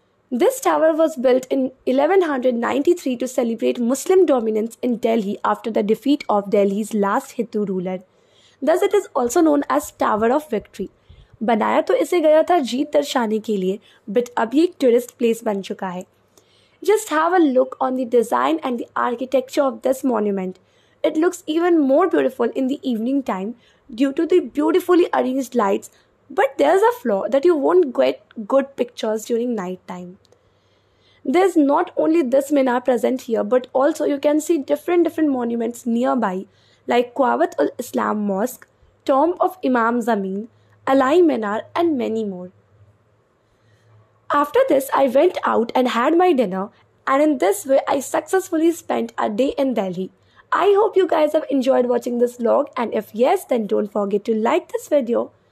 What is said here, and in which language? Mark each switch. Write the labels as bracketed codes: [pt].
[en] This tower was built in 1193 to celebrate Muslim dominance in Delhi after the defeat of Delhi's last Hindu ruler. Thus, it is also known as Tower of Victory. [hi] बनाया तो इसे गया था जीत दर्शाने के लिए, but अभी एक टूरिस्ट प्लेस बन चुका है. [en] Just have a look on the design and the architecture of this monument. It looks even more beautiful in the evening time due to the beautifully arranged lights, but there is a flaw that you won't get good pictures during night time. There is not only this minar present here, but also you can see different monuments nearby, like Quwwat ul Islam mosque, tomb of Imam Zamin, Alai Minar and many more. After this, I went out and had my dinner, and in this way I successfully spent a day in Delhi. I hope you guys have enjoyed watching this vlog, and if yes, then don't forget to like this video.